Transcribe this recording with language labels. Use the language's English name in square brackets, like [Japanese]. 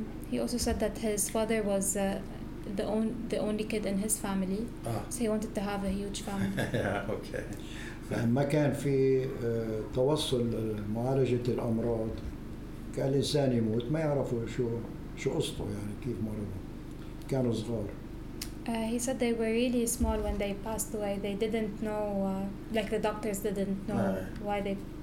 [English] He also said that his father was the only kid in his family. آه. So he wanted to have a huge family. Yeah, okay. [Arabic] فما كان في توصل معالجة الأمراض كان الإنسان يموت ما يعرفوا شو قصته يعني كيف مرضوا كانوا صغار. [English] He said they were really small when they passed away. They didn't know, like the doctors didn't know why they.